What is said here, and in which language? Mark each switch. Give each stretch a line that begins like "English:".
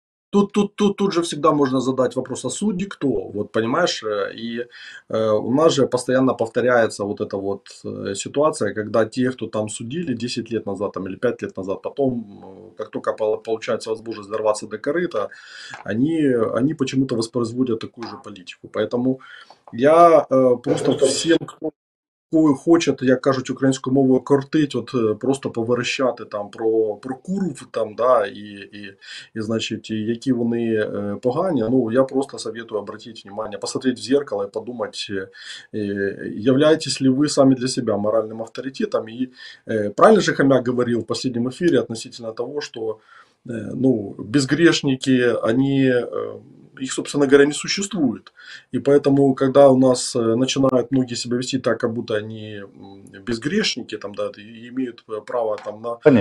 Russian: Тут же всегда можно задать вопрос, а судьи кто? Вот понимаешь, и у нас же постоянно повторяется вот эта вот ситуация, когда те, кто там судили 10 лет назад там, или 5 лет назад, потом, как только получается возможность дорваться до корыта, они почему-то воспроизводят такую же политику. Поэтому я просто всем, кто хочет,
Ukrainian: як кажуть, українською мовою кортить, от просто поверещати там про курв там, да, і значить, і які вони погані.
Russian: Ну, я просто советую обратить внимание, посмотреть в зеркало и подумать, являетесь ли вы сами для себя моральным авторитетом. И правильно же Хомяк говорил в последнем эфире относительно того, что ну, безгрешники, они... Их, собственно говоря, не существует. И поэтому, когда у нас начинают многие себя вести так, как будто они безгрешники, там, да, и имеют право там, на